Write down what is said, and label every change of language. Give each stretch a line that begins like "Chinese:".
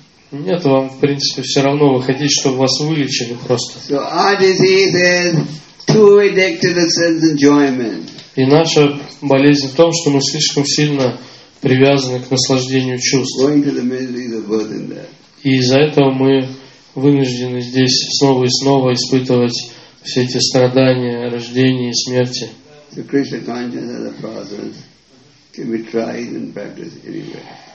Russian: Нет, вам в принципе все равно, вы хотите, чтобы вас вылечили просто.
English: So our disease is too addicted to sense enjoyment.
Russian: И наша болезнь в том, что мы слишком сильно привязаны к наслаждению чувств.
English: Going to the misery, the burden there.
Russian: И из-за этого мы вынуждены здесь снова и снова испытывать все эти страдания, рождения и смерти.
English: So Krishna consciousness and the process can be tried and practiced anywhere.